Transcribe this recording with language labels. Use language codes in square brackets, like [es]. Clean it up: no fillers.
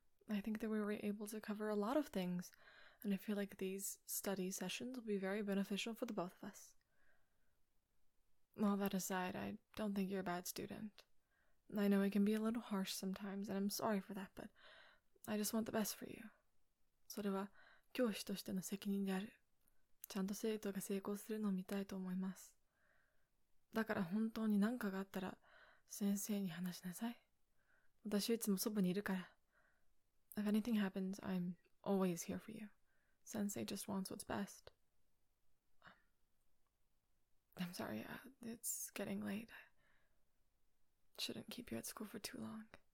[en] I think that we were able to cover a lot of things, and I feel like these study sessions will be very beneficial for the both of us. All that aside, I don't think you're a bad student. I know it can be a little harsh sometimes, and I'm sorry for that, but I just want the best for you. [ja] それは教師としての責任である。ちゃんと生徒が成功するのを見たいと思います。だから本当に何かがあったら先生に話しなさい。私いつもそばにいるから。 [en] If anything happens, I'm always here for you. Sensei just wants what's best. I'm sorry, it's getting late. Shouldn't keep you at school for too long.